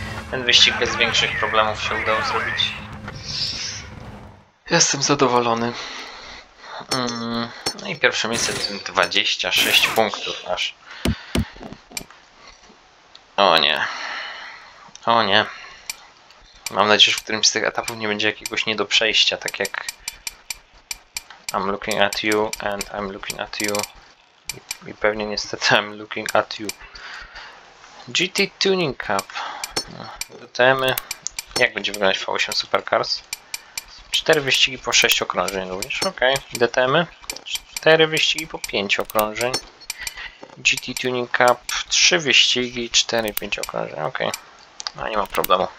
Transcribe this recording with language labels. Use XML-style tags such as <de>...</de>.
<pl>Ten wyścig bez większych problemów się udało zrobić. Jestem zadowolony. No i pierwsze miejsce to 26 punktów aż. O nie. O nie. Mam nadzieję, że w którymś z tych etapów nie będzie jakiegoś nie do przejścia, tak jak...</pl> <en>I'm looking at you and I'm looking at you.</en> <pl>I pewnie niestety</pl> <en>I'm looking at you.</en> <pl>GT Tuning Cup. DTM-y. Jak będzie wyglądać V8 Supercars? 4 wyścigi po 6 okrążeń również. Ok, DTM-y. 4 wyścigi po 5 okrążeń. GT Tuning Cup. 3 wyścigi, 4 i 5 okrążeń. Ok, no nie ma problemu.</pl>